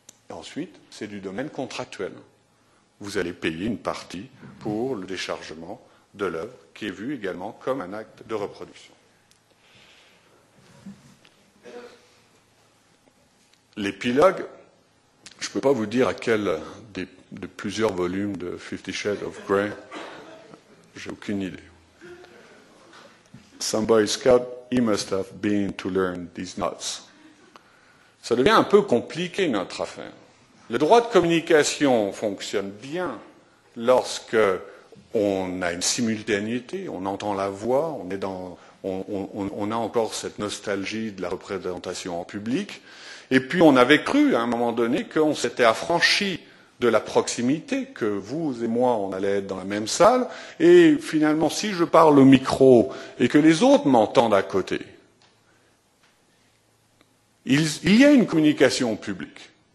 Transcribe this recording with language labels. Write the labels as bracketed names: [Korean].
[French] Et ensuite, c'est du domaine contractuel. Vous allez payer une partie pour le déchargement de l'œuvre, qui est vue également comme un acte de reproduction. L'épilogue, je ne peux pas vous dire à quel de plusieurs volumes de Fifty Shades of Grey, j'ai aucune idée. [English] Some boy scout, he must have been to learn these nuts. [French] ça devient un peu compliqué notre affaire. Le droit de communication fonctionne bien lorsque on a une simultanéité, on entend la voix, on a encore cette nostalgie de la représentation en public, et puis on avait cru à un moment donné qu'on s'était affranchi de la proximité, que vous et moi, on allait être dans la même salle, et finalement, si je parle au micro et que les autres m'entendent à côté, il y a une communication au public.